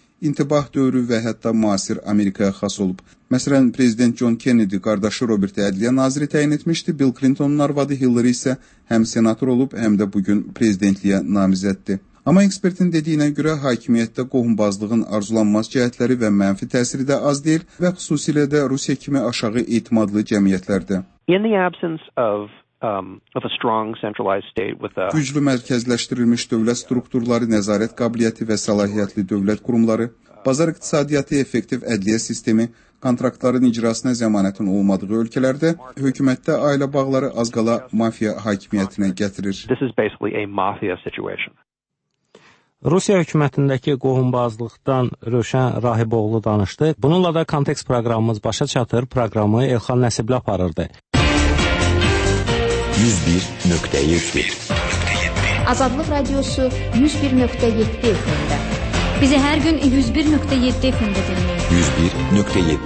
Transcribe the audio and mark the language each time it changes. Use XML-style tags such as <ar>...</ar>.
<az>intibah dövrü və hətta müasir Amerikaya xas olub. Məsələn, Prezident John Kennedy qardaşı Robert-i Ədliyə naziri təyin etmişdi, Bill Clinton'un arvadı Hillary isə həm senator olub, həm də bugün prezidentliyə namizəddir. Amma ekspertin dediyinə görə hakimiyyətdə qohumbazlığın arzulanmaz cəhətləri və mənfi təsiri də az deyil və xüsusilə də Rusiya kimi aşağı etimadlı cəmiyyətlərdə.</az> <en>In the absence of a strong centralized state with a</en> <az>güclü mərkəzləşdirilmiş dövlət strukturları, nəzarət qabiliyyəti və səlahiyyətli dövlət qurumları, bazar iqtisadiyyatı, effektiv ədliyyə sistemi, kontraktların icrasına zəmanətin olmadığı ölkələrdə hökumətdə ailə bağları az qala mafiya hakimiyyətinə gətirir.</az> <en>This is basically a mafia situation.</en> <az>Rusiya hökumətindəki qohumbazlıqdan Rövşən Rahiboğlu danışdı. Bununla da kontekst proqramımız başa çatır. Proqramı Elxan Nəsibli aparırdı. 101.7 Azadlıq radiosu 101.7 FM-də. Bizi hər gün 101.7 FM-də dinləyin.</az>